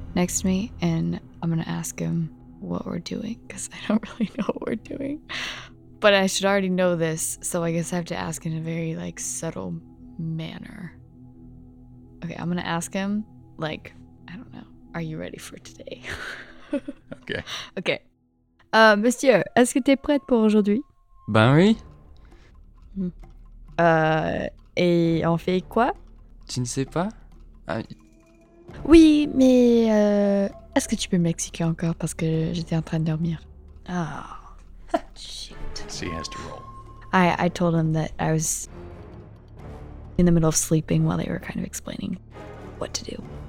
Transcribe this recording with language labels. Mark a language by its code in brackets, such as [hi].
[en] next to me, and I'm going to ask him what we're doing, because I don't really know what we're doing. But I should already know this, so I guess I have to ask in a very, like, subtle manner. Okay, I'm gonna ask him, like, I don't know, are you ready for today? Okay. Okay. [fr] Monsieur, est-ce que t'es prête pour aujourd'hui? Ben oui. Et on fait quoi? Tu ne sais pas? Oui, mais est-ce que tu peux m'expliquer encore parce que j'étais en train de dormir? [en] Ah. Oh. Shit. So he has to roll. I told him that I was in the middle of sleeping while they were kind of explaining what to do.